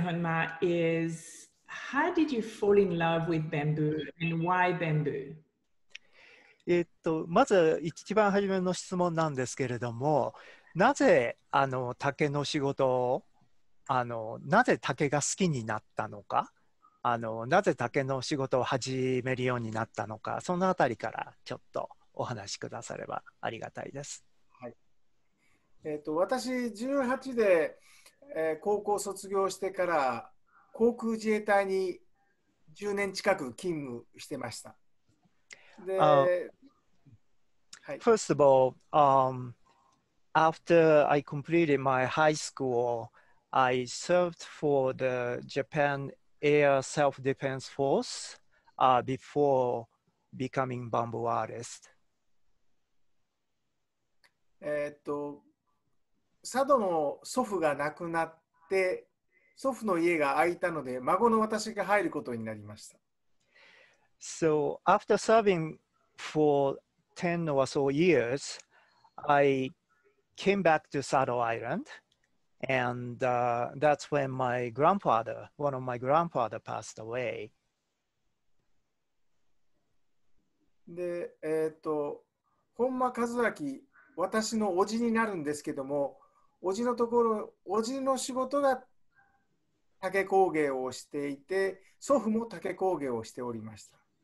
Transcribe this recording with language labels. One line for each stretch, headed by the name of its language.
English: Honma, is how did you fall in love with bamboo and why bamboo?
Japanese: まず一番初めの質問なんですけれども、なぜ竹の仕事を、なぜ竹が好きになったのか、なぜ竹の仕事を始めるようになったのか、そのあたりからちょっとお話しくださればありがたいです。はい。私18で、高校卒業してから航空自衛隊に10年近く勤務してました。で、はい。
English: First of all, after I completed my high school, I served for the Japan Air Self-Defense Force before becoming bamboo artist.
Japanese: Sado の祖父が亡くなって、祖父の家が空いたので、孫の私が入ることになりました。
English: So after serving for 10 or so years, I came back to Sado Island, and that's when my grandfather, one of my grandfather passed away.
Japanese: で、本間和明、私のおじになるんですけども、おじのところ、おじの仕事が竹工芸をしていて、祖父も竹工芸をしておりました。